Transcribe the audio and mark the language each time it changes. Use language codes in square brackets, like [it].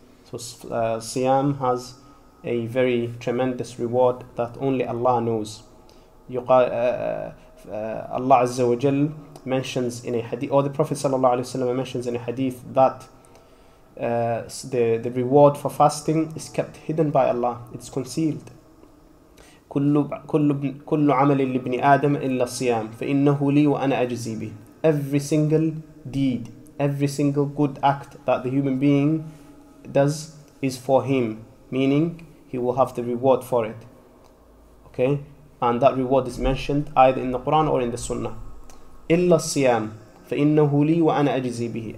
[en] So Siyam has a very tremendous reward that only Allah knows. Allah Azza wa Jal mentions in a hadith, or the Prophet sallallahu alaihi wasallam mentions in a hadith, that the reward for fasting is kept hidden by Allah. It's concealed. [ar] كل عمل لابن آدم إلا الصيام فإنه لي وأنا أجزي به. [en] Every single deed, every single good act that the human being does is for him, meaning he will have the reward for it. Okay? And that reward is mentioned either in the Quran or in the Sunnah. [ar] إِلَّا الصِّيَامُ فَإِنَّهُ لِي وَأَنَا أَجْزِي بِهِ.